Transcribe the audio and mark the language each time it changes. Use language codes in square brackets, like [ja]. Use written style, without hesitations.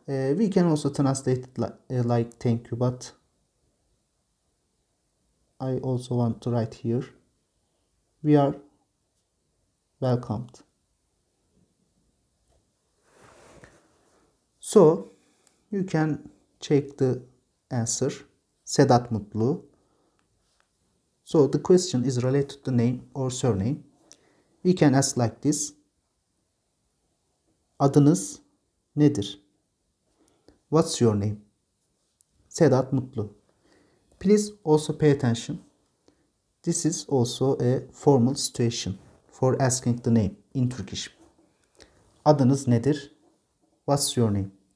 [en] We can also translate it like thank you, but I also want to write here, we are welcomed. So, you can check the answer, Sedat Mutlu. So, the question is related to the name or surname. We can ask like this: [tr] adınız nedir? [en] What's your name? Sedat Mutlu. Please also pay attention. This is also a formal situation for asking the name in Turkish. [tr] Adınız nedir? [en] What's your name?